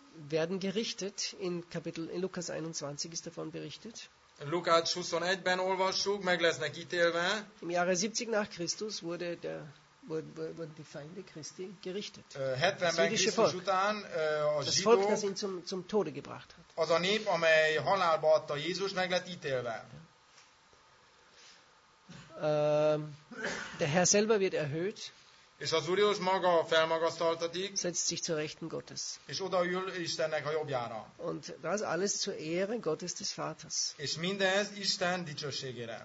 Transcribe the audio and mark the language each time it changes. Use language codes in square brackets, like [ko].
[de] werden gerichtet in Kapitel in Lukas 21 ist davon berichtet. [hu] Lukács 21-ben olvassuk, meg lesznek ítélve. [de] Im Jahre 70 nach Christus wurden die Feinde Christi gerichtet. [hu] 70-ben Christus [de] Volk. [hu] Után a [de] das [hu] zsidók, [de] Volk, das ihn zum Tode gebracht hat. [hu] Az a nép, amely halálba adta Jézus, meg lett ítélve. [de] Der Herr selber wird erhöht. [hu] És az Úr Jézus maga felmagasztaltatik. [de] Setzt sich zur Rechten Gottes. [hu] És odaül Istennek a jobbjára. [de] Und das alles zur Ehre Gottes des Vaters. [hu] És mindez Isten dicsőségére.